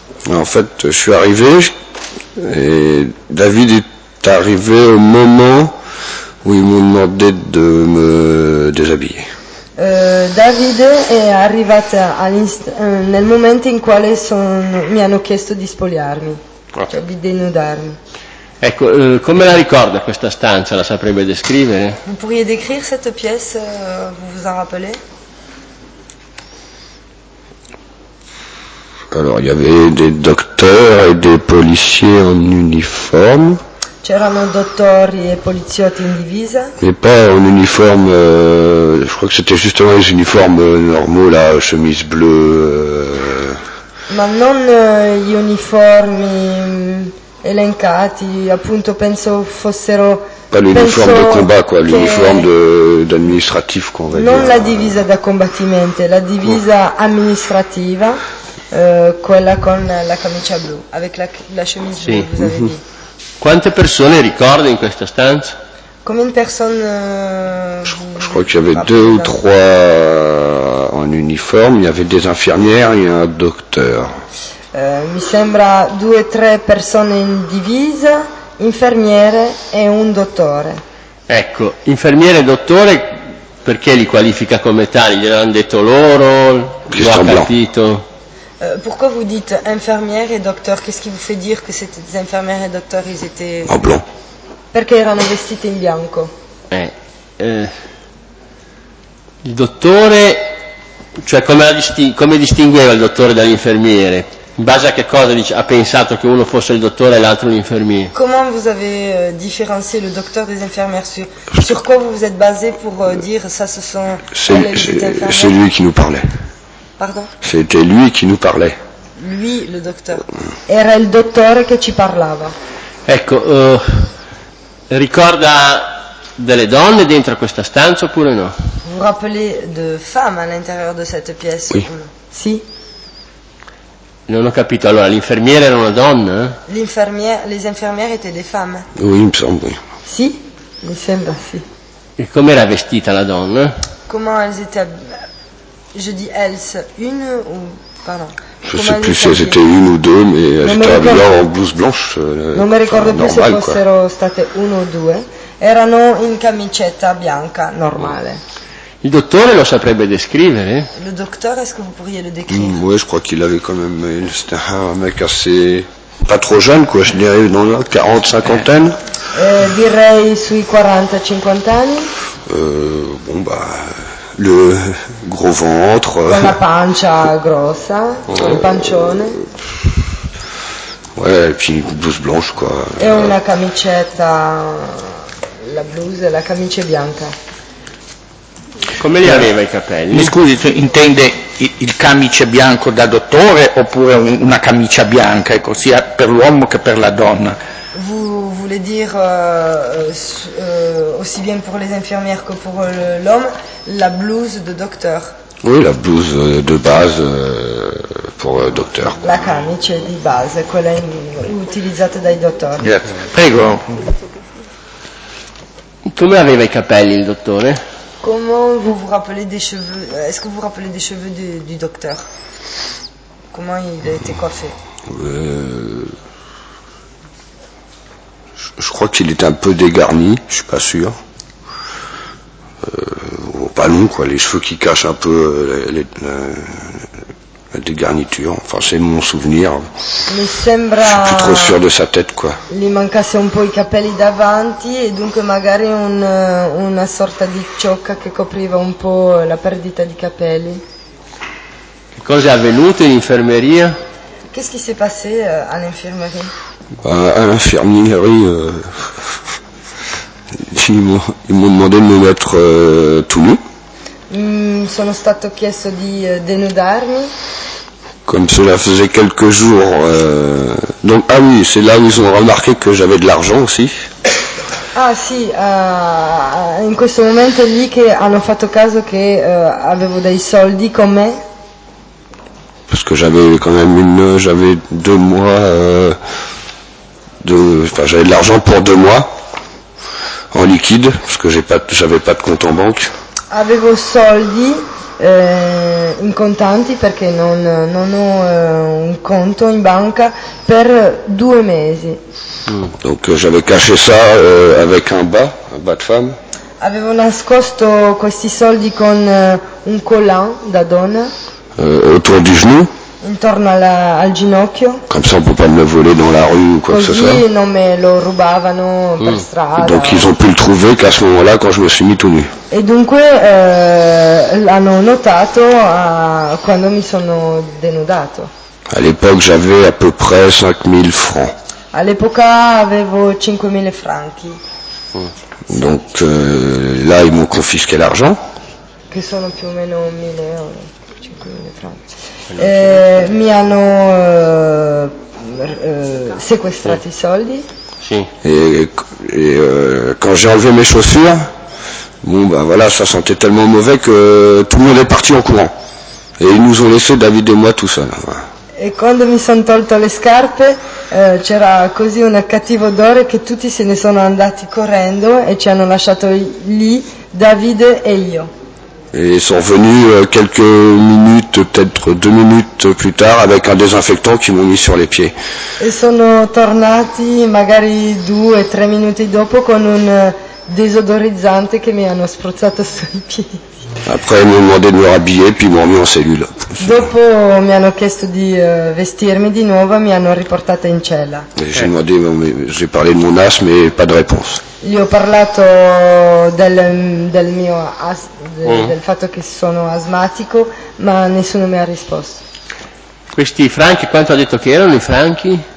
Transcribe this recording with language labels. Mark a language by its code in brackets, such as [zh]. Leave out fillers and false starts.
[fr] En fait, je suis arrivé, et David est arrivé au moment où il m'a demandé de me déshabiller. [it] David est arrivé nel momento in quale mi hanno chiesto di spogliarmi, cioè di denudarmi. Ecco, come la ricorda questa stanza? La saprebbe descrivere? [fr] Vous pourriez décrire cette pièce, vous vous en rappelez? Alors, il y avait des docteurs et des policiers en uniforme. [it] C'erano dottori e poliziotti in divisa. [fr] Mais pas en uniforme, je crois que c'était justement les uniformes normaux, là, chemise bleue. [it] Ma non gli uniformi elencati, appunto penso fossero [fr] pas l'uniforme de combat quoi, l'uniforme d'administratif qu'on va dire. [it] Non la divisa da combattimento, la divisa amministrativa, quella con la camicia blu, [fr] avec la chemise blu, [it] sì. [fr] Vous avez dit. [it] Quante persone ricorda in questa stanza? [fr] Combien de personnes je crois qu'il y avait deux ou trois en uniforme, il y avait des infirmières et un docteur. [it] Mi sembra due o tre persone in divisa, infermiere e un dottore. Ecco, infermiere e dottore, perché li qualifica come tali? Gliel'hanno detto loro? Lo ha capito? Perché [fr] vous dites [it] infermiere e dottore? [fr] Qu'est-ce qui vous fait dire que c'était des infirmières et docteurs? Ils étaient en blanc. [it] Perché erano vestiti in bianco? Il dottore, cioè come distingueva il dottore dall'infermiere? In base a che cosa ha pensato che uno fosse il dottore e l'altro l'infermiere? Come [fr] vous avez différencié le docteur des infirmières? Sur quoi vous vous êtes basé pour dire ça ce sont c'est, les infirmières? C'est lui qui nous parlait. Pardon? C'était lui qui nous parlait. Lui, le docteur. [it] Era il dottore che ci parlava. Ecco, ricorda delle donne dentro questa stanza oppure no? [fr] Vous rappelez de femmes à l'intérieur de cette pièce? Oui. [it] Sì? Non ho capito, allora l'infermiera era una donna? [fr] Les infirmières étaient des femmes. Oui, me semble, oui. [it] Sì, mi sembra, sì. E com'era vestita la donna? [fr] Comment elles étaient... Je dis elles, une ou... Pardon. Je ne sais plus si elles étaient une ou deux, mais elles étaient habillées en blouse blanche. [it] Non mi ricordo più se fossero state uno o due. Erano in camicetta bianca, normale. Il dottore lo saprebbe descrivere? [fr] Le docteur, est-ce que vous pourriez le décrire? Oui, je crois qu'il avait quand même... C'était un mec assez... Pas trop jeune, quoi, je dirais, dans la 40-50aine. [it] Direi sui 40-50 anni. [fr] Bon, bah... Le gros ventre... [it] Con la pancia grossa, un pancione. [fr] Ouais, et puis une blouse blanche, quoi. [it] Et una camicetta... [fr] La blouse, [it] la camicia bianca. Come li aveva i capelli? Mi scusi, intende il camice bianco da dottore oppure una camicia bianca, ecco, sia per l'uomo che per la donna? [fr] Vous voulez dire aussi bien pour les infirmières que pour l'homme, la blouse de docteur? Oui, la blouse de base pour le docteur. [it] La camicia di base, quella utilizzata dai dottori. Grazie. Prego. Come aveva i capelli il dottore? [fr] Comment vous vous rappelez des cheveux? Est-ce que vous vous rappelez des cheveux du docteur? Comment il a été coiffé? Je crois qu'il est un peu dégarni, je suis pas sûr. Pas long quoi, les cheveux qui cachent un peu la dégarniture. Enfin, c'est mon souvenir. [it] Mi sembra. [fr] Je suis plus trop sûr de sa tête quoi. [it] Gli mancasse un po' i capelli davanti e dunque magari una sorta di ciocca che copriva un po' la perdita di capelli. Che cosa è avvenuto in infermeria? [fr] Qu'est-ce qui s'est passé à l'infirmerie? À l'infirmerie, ils m'ont demandé de me mettre tout nu. [it] Sono stato chiesto di denudarmi. [fr] Comme cela faisait quelques jours. Donc, ah oui, c'est là où ils ont remarqué que j'avais de l'argent aussi. [it] Ah sì, in questo momento è lì che hanno fatto caso che avevo dei soldi con me. [fr] Parce que j'avais quand même une, j'avais deux mois, j'avais de l'argent pour deux mois en liquide, parce que j'avais pas de compte en banque. [it] Avevo soldi in contanti perché non ho un conto in banca per due mesi. [fr] Donc j'avais caché ça avec un bas de femme. [it] Avevo nascosto questi soldi con un collan da donna. [fr] Autour du genou. [it] Intorno al ginocchio. [fr] Comme ça on peut pas me le voler dans la rue ou quoi [it] così, [fr] que ce soit. [it] Non me lo rubavano per strada. [fr] Donc ils ont pu le trouver qu'à ce moment-là quand je me suis mis tout nu. [it] E dunque l'hanno notato quando mi sono denudato. [fr] À l'époque j'avais à peu près 5000 francs. [it] All'epoca avevo 5000 franchi. [fr] Donc là ils m'ont confisqué l'argent. [it] Che sono più o meno 1000 euro. Mi hanno sequestrato i soldi. [fr] Et quand j'ai enlevé mes chaussures, bon ben voilà, ça sentait tellement mauvais que tout le monde est parti en courant. Et ils nous ont laissé David et moi tout seul. [it] E quando mi sono tolto le scarpe, c'era così un cattivo odore che tutti se ne sono andati correndo e ci hanno lasciato lì David e io. [fr] Et ils sont venus quelques minutes, peut-être deux minutes plus tard, avec un désinfectant qui m'ont mis sur les pieds. [it] Et sono tornati magari due o tre minuti dopo con un désodorizzante che mi hanno spruzzato sui piedi. [fr] Après, ils m'ont demandé de me rhabiller, puis ils m'ont mis en cellule. [it] Dopo mi hanno chiesto di vestirmi di nuovo, mi hanno riportato in cella. [fr] J'ai parlé de mon asthme et pas de réponse. [it] Gli ho parlato del mio del fatto che sono asmatico, ma nessuno mi ha risposto. Questi franchi, quanto ha detto che erano i franchi?